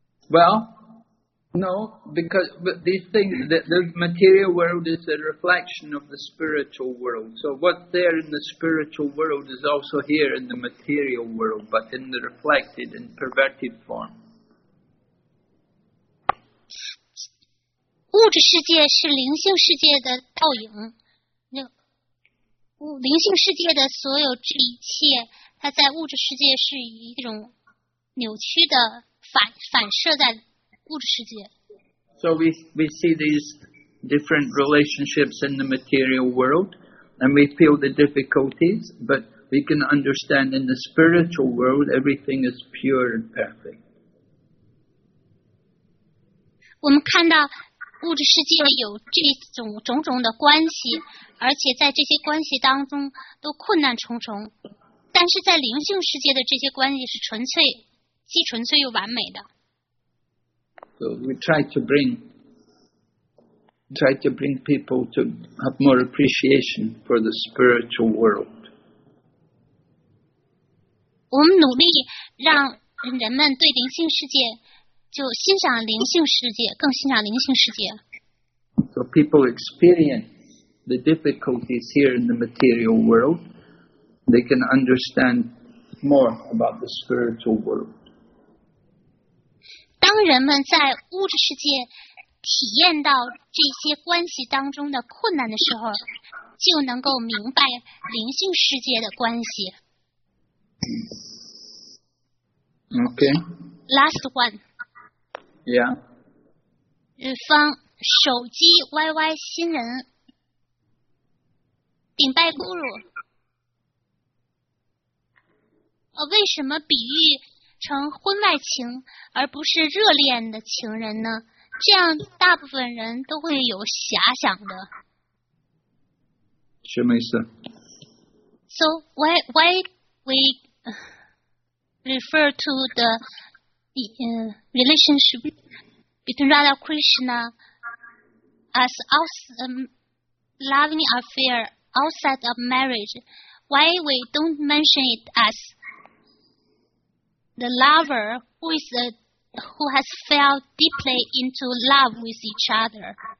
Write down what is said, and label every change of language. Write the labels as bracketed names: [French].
[English] Well, no, because these things, the material world is a reflection of the spiritual world. So what's there in the spiritual world is also here in the material world, but in the reflected and perverted form. [Chinese] 物质世界是灵性世界的倒影，灵性世界的所有这一切，它在物质世界是以一种扭曲的 反射在物质世界。 [English] So we see these different relationships in the material world, and we feel the difficulties, but we can understand in the spiritual world everything is pure and perfect. [Chinese] 我们看到物质世界有这种种种的关系，而且在这些关系当中都困难重重，但是在灵性世界的这些关系是纯粹，既纯粹又完美的。 [English] So we try to bring people to have more appreciation for the spiritual world. [Chinese] 我们努力让人们对灵性世界就欣赏灵性世界，更欣赏灵性世界。 [English] So people experience the difficulties here in the material world, they can understand more about the spiritual world. [Chinese] 当人们在物质世界体验到这些关系当中的困难的时候，就能够明白灵性世界的关系。 [English] Okay. Last one. Yeah. [Chinese] 日方手机 YY 新人顶拜咕噜，为什么比喻成婚外情而不是热恋的情人呢？这样大部分人都会有遐想的。什么意思 [English] ？So why we refer to the relationship between Radha Krishna as outside, loving affair outside of marriage, why we don't mention it as the lover who has fell deeply into love with each other?